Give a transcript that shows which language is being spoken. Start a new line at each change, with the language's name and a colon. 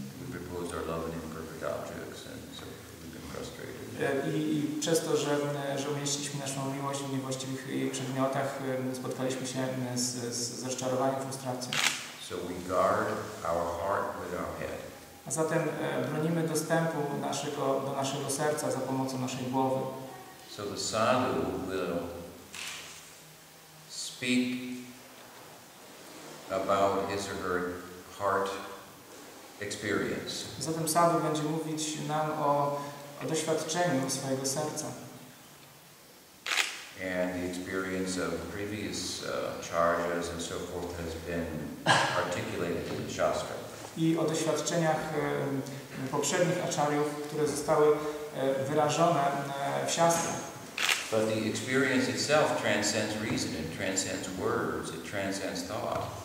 English: We've opposed our love in imperfect objects and so we've been frustrated.
Polish: I przez to, że umieściliśmy naszą miłość w niewłaściwych przedmiotach, spotkaliśmy się z rozczarowaniem, frustracją.
English: So we guard our heart with our head.
Polish: A zatem bronimy dostępu do naszego serca za pomocą naszej głowy.
English: So the sadhu will speak about his or her heart experience.
Polish: Zatem sadhu będzie mówić nam o doświadczeniu swojego serca.
English: And the experience of previous charges and so forth has been articulated in the Shastra.
Polish: I o doświadczeniach poprzednich acharyów, które zostały wyrażone w Shastra.
English: But the experience itself transcends reason, it transcends words, it transcends thought.